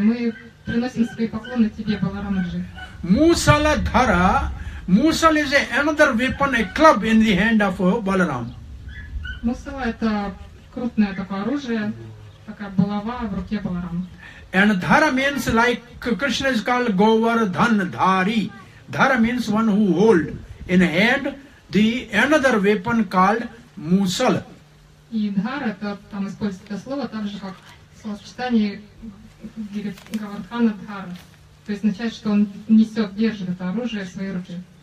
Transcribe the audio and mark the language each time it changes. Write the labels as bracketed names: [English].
[Russian] Мы приносим свои поклоны тебе, Баларамджи. [Sanskrit] Musala Dhara. [English] Musal is another weapon, a club in the hand of Balaram. [Russian] Musala – это крупное такое оружие, такая булава в руке Баларама. [English] And dhara means like Krishna is called Govardhan Dhari. Dhara means one who hold in hand the another weapon called musal. [Russian] И dhara – это там используется слово так же, как словосочетание Govardhana Dhara. То есть означает, что он несет, держит это оружие в своей руке.